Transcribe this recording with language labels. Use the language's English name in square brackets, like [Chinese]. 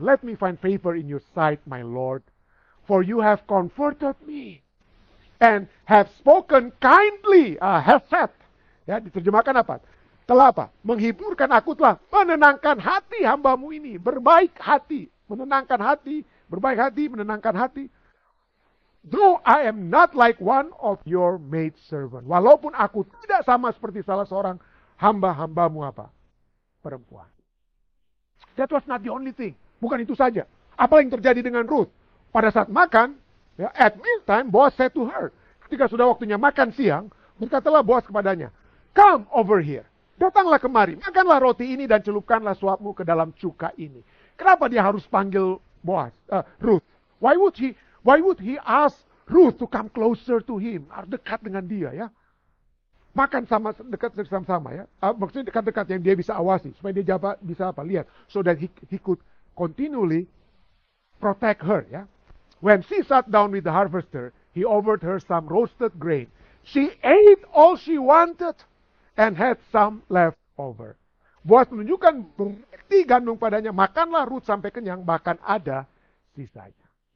[English] Let me find favor in your sight, my Lord. For you have comforted me and have spoken kindly, hesed. [Indonesian] Ya, diterjemahkan apa? Telah apa? Menghiburkan aku, telah menenangkan hati hambamu ini. Berbaik hati. Menenangkan hati. Berbaik hati, menenangkan hati. [English] Though I am not like one of your maidservant. [Indonesian] Walaupun aku tidak sama seperti salah seorang hamba-hambamu apa? Perempuan. [English] That was not the only thing. [Indonesian] Bukan itu saja. Apa yang terjadi dengan Ruth? Pada saat makan, ya, [English] at mealtime, Boaz said to her. [Indonesian] Ketika sudah waktunya makan siang, berkatalah Boaz kepadanya, [English] come over here. [Indonesian] Datanglah kemari. Makanlah roti ini dan celupkanlah suapmu ke dalam cuka ini. Kenapa dia harus panggil Boaz, Ruth? [English] Why would he ask Ruth to come closer to him? [Indonesian] Harus dekat dengan dia, ya. Makan sama, dekat sama-sama, ya. Maksudnya dekat-dekat yang dia bisa awasi. Supaya dia bisa apa, lihat. [English] So that he could continually protect her, ya. When she sat down with the harvester, he offered her some roasted grain. She ate all she wanted and had some left over. [Indonesian] Buat menunjukkan berarti gandum padanya, makanlah Ruth sampai kenyang, bahkan ada sisanya.